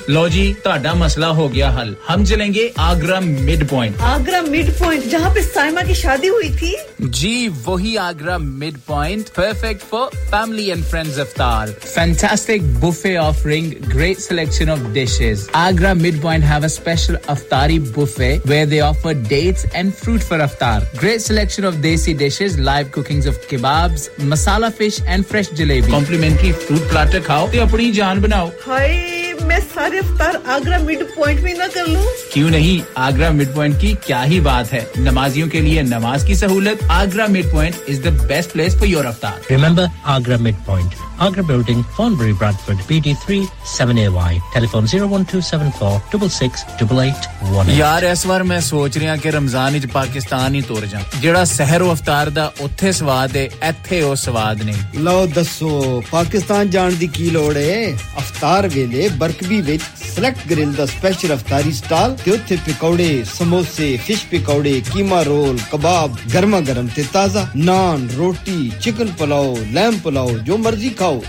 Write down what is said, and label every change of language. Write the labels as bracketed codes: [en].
[pa] لو جی, تہاڈا مسئلہ ہو گیا حل. [ur] ہم چلیں گے Agra mid point. Agra mid point جہاں پہ سائمہ کی شادی ہوئی تھی؟ [en] جی وہی Agra mid point, perfect for family and friends افطار. Fantastic buffet offering, great selection of dishes. Agra mid point have a special افطار buffet where they offer dates and fruit for iftar. Great selection of desi dishes, live cookings of kebabs, masala fish and fresh jalebi. Complimentary fruit platter [pa] khao te apni jaan banao. [ur] Hi, main sare iftar Agra Midpoint mein na kar lu? Kyun nahi, [en] Agra Midpoint ki kya hi baat hai. Namaziyon ke liye namaz ki sahulat, Agra Midpoint is the best place for your iftar. Remember Agra Midpoint, Agra Building, Farnbury, Bradford, BD3 7AY. Telephone 01274-66881. [pa] یار اس وار میں سوچ رہا ہوں کہ رمضان وچ پاکستان ہی تور جاں. جڑا سحر و افطار دا اوتھے سواد اے, ایتھے او سواد نہیں. لو دسو پاکستان جان دی کی لوڑ اے. افطار ویلے برکبی وچ سلیکٹ گرل دا سپیشل افطاری سٹال تے اوتھے پکوڑے, سموسے, فش پکوڑے, کیما رول, کباب گرما گرم تے تازہ, نان, روٹی, چکن پلاؤ, لیمب پلاؤ, جو مرضی کھاؤ.